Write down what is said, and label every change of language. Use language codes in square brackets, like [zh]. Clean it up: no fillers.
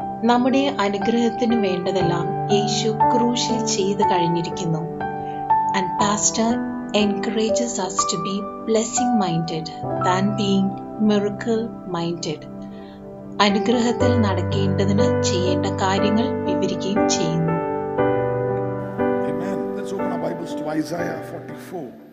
[ml] നമ്മുടെ അനുഗ്രഹത്തിന് വേണ്ടതെല്ലാം യേശു ക്രൂശിൽ ചെയ്തു കഴിഞ്ഞിരിക്കുന്നു. [en] And pastor encourages us to be blessing minded than being miracle minded. [ml] അനുഗ്രഹത്തിൽ നടക്കേണ്ടതിന് ചെയ്യേണ്ട കാര്യങ്ങൾ വിവരിക്കുകയും ചെയ്യുന്നു. [en] Amen. Let's open our Bibles to Isaiah 44.